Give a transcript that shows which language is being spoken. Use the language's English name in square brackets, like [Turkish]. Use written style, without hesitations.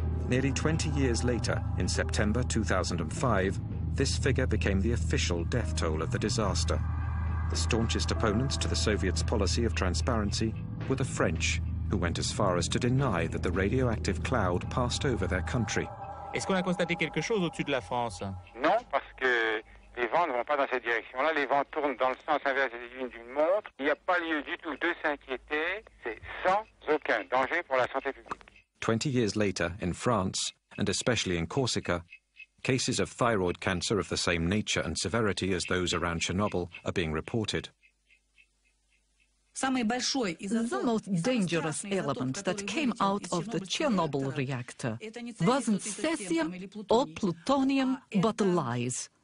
[English] Nearly 20 years later, in September 2005, this figure became the official death toll of the disaster. The staunchest opponents to the Soviets' policy of transparency were the French, who went as far as to deny that the radioactive cloud passed over their country. [French] Est-ce qu'on a constaté quelque chose au-dessus de la France? Non, parce que les vents ne vont pas dans cette direction-là. Les vents tournent dans le sens inverse des lignes d'une montre. Il n'y a pas lieu du tout de s'inquiéter. C'est sans aucun danger pour la santé publique. [English] 20 years later, in France, and especially in Corsica, cases of thyroid cancer of the same nature and severity as those around Chernobyl are being reported. The most dangerous element that came out of the Chernobyl reactor wasn't cesium or plutonium, but lies.